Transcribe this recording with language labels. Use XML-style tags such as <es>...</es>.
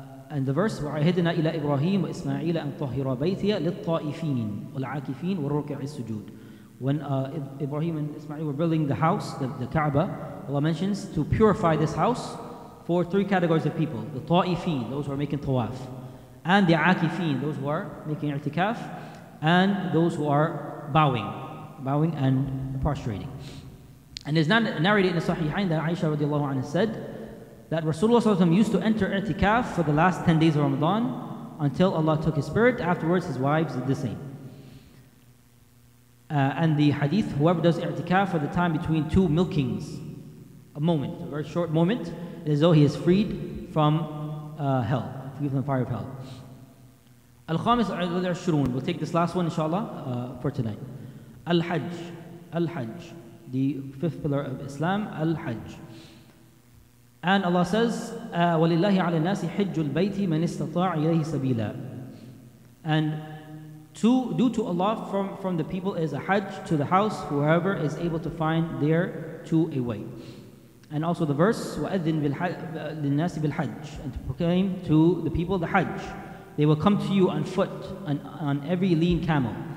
<en>And the verse,</en> <ar>وَعَهِدْنَا إِلَىٰ إِبْرَاهِيمُ وَإِسْمَعِيلَ أَنْ طَهِرَ بَيْتِيَ لِلطَّائِفِينَ وَالْعَاكِفِينَ وَالرُّكَعِ السُّجُودِ.</ar> <en>When Ibrahim and Ismail were building the house, the Kaaba, Allah mentions to purify this house for three categories of people: the ta'ifin, those who are making tawaf, and the akifin, those who are making i'tikaf, and those who are bowing and prostrating. And it's not narrated in the Sahihain that Aisha radiallahu anha said that Rasulullah used to enter i'tikaf for the last 10 days of Ramadan until Allah took his spirit. Afterwards, his wives did the same. And the hadith, whoever does i'tikaf for the time between two milkings, a moment, a very short moment, is as though he is freed from hell, freed from the fire of hell. Al-Khamis al-Ashurun. We'll take this last one, inshallah, for tonight. Al-Hajj. Al-Hajj. The fifth pillar of Islam, Al-Hajj. And Allah says,</en> <ar>وَلِلَّهِ عَلَى النَّاسِ حِجُّ الْبَيْتِ مَنِ اسْتَطَاعَ إِلَيْهِ سَبِيلًا.</ar> <en>And due to Allah, from the people is a Hajj to the house, whoever is able to find there to a way. And also the verse,</en> <ar>وَأَذِّن لِلنَّاسِ بِالْحَجِّ.</ar> <en>And to proclaim to the people the Hajj. They will come to you on foot, on every lean camel.</en>